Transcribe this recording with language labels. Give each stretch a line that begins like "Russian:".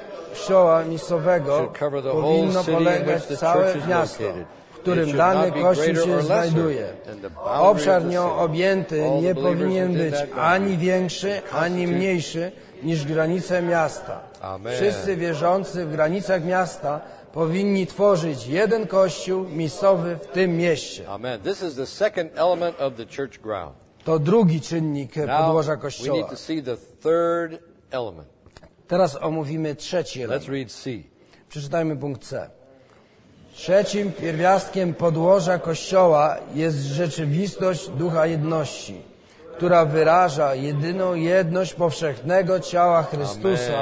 Polish: Kościoła miejscowego powinno polegać całe miasto, w którym dany kościół się znajduje. Obszar nią objęty nie powinien być ani większy, ani mniejszy niż granice miasta. Amen. Wszyscy wierzący w granicach miasta powinni tworzyć jeden kościół miejscowy w tym mieście. Amen.
English: This is the second element of the church ground.
Polish: To drugi czynnik podłoża kościoła.
English: We need to see the third element.
Polish: Teraz omówimy trzeci element.
English: Let's read C.
Polish: Przeczytajmy punkt C. Trzecim pierwiastkiem podłoża kościoła jest rzeczywistość ducha jedności, która wyraża jedyną jedność powszechnego ciała Chrystusa.